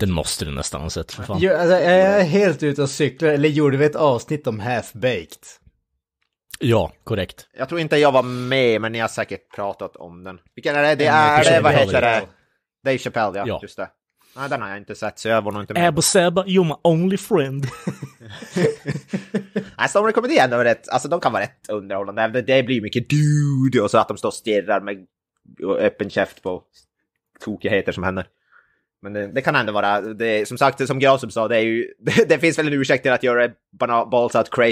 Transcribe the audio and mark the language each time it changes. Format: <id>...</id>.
<sv>den måste du nästan ha sett. För fan. Jo, alltså, jag är helt ute och cyklar. Eller gjorde vi ett avsnitt om Half-Baked? Ja, korrekt. Jag tror inte jag var med, men ni har säkert pratat om den. Vilken är det? Det är det, vad heter det? Dave Chappelle, ja, just det. Nej, den har jag inte sett, så jag var nog inte med.</sv> <en>Abba Sabba, you're my only friend.</en> <sv>Nej, så om det kommer igen, då är det, alltså, de kan vara rätt underhållande. Det blir mycket dude, och så att de står och stirrar med öppen käft på tokigheter som händer. Men det kan ändå vara, det, som sagt, som Grasum sa, det, är ju, det finns väl en ursäkt till att göra</sv> <en>balls out crazy.</en>